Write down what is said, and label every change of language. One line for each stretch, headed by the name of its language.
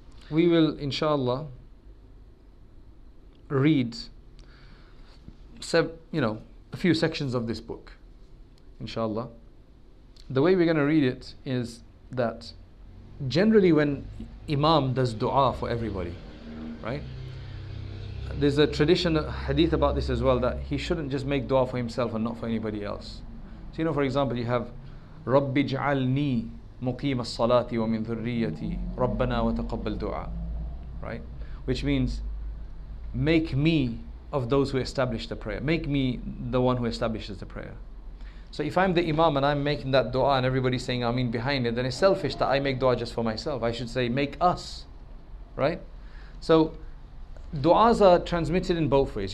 English: We will inshallah read a few sections of this book inshallah. The way we're going to read it is that generally when imam does dua for everybody, right, there's a tradition, a hadith about this as well, that he shouldn't just make dua for himself and not for anybody else. So, you know, for example, you have
Arabic: رَبِّ جَعَلْنِي مُقِيمَ الصَّلَاةِ وَمِنْ ذُرِّيَّتِي رَبَّنَا وَتَقَبَّلْ دُعَى, right?
English: Which means, make me of those who establish the prayer. Make me the one who establishes the prayer. So if I'm the imam and I'm making that dua and everybody's saying ameen behind it, then it's selfish that I make dua just for myself. I should say, make us, right? So du'as are transmitted in both ways.